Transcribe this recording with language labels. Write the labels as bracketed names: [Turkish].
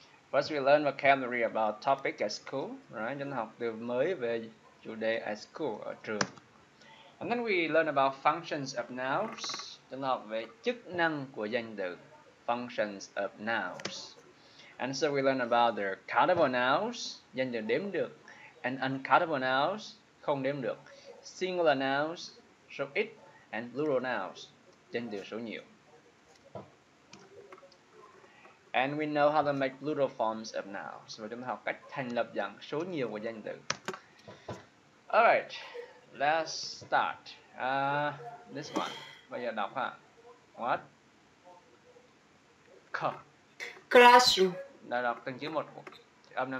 [English] First we learn vocabulary about topic at school, right? [Vietnamese] Chúng ta học từ mới về chủ đề [English] at school, [Vietnamese] ở trường. [English] And then we learn about functions of nouns. [Vietnamese] Chúng ta học về chức năng của danh từ [English] functions of nouns. And so we learn about the countable nouns, [Vietnamese] danh từ đếm được, [English] and uncountable nouns, [Vietnamese] không đếm được, [English] singular nouns, [Vietnamese] số ít, [English] and plural nouns, [Vietnamese] danh từ số nhiều. [English] And we know how to make plural forms of nouns. [Vietnamese] Và chúng ta học cách thành lập dạng số nhiều của danh từ. [English] All right, let's start. This one. [Vietnamese] Bây giờ đọc ha. [English] What? K. Classroom. [Vietnamese] Đã đọc từng chữ một. Âm nam.